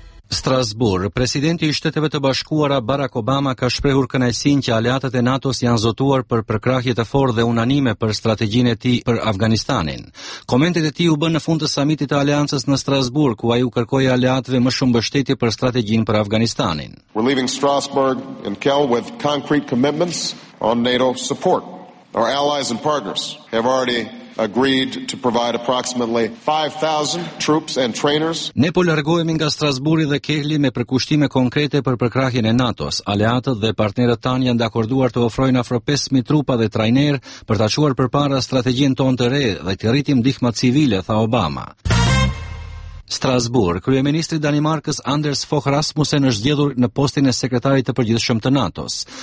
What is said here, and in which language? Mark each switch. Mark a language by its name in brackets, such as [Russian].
[Albanian] Strasbourg, presidenti i Shteteve të Bashkuara Barack Obama ka shprehur kënaqësinë që aliatët e NATO-s janë zotuar për përkrahje të fortë dhe unanime për strategjinë e tij për Afganistanin. Komentet e tij u bën në fund të samitit të aliancës në Strasbourg, ku ai u kërkoi aliatëve më shumë mbështetje për strategjinë për Afganistanin. [English] We're leaving Strasbourg and Kiel with concrete commitments on NATO support. Our allies and partners have already agreed to provide approximately 5,000 troops and trainers. [Albanian] Ne po largohemi nga Strasburi dhe Kehli me përkushtime konkrete për përkrahjen e NATO-s. Aleatët dhe partnerët tanë janë dakorduar të ofrojnë afro 5,000 trupa dhe trajner për ta çuar përpara strategjinë tonë të re dhe të rritim ndihmat civile, tha Obama. Strasbourg, kryeministri Danimarkës Anders Fogh Rasmussen është zgjedhur në postin e sekretarit të përgjithshëm të NATO-s.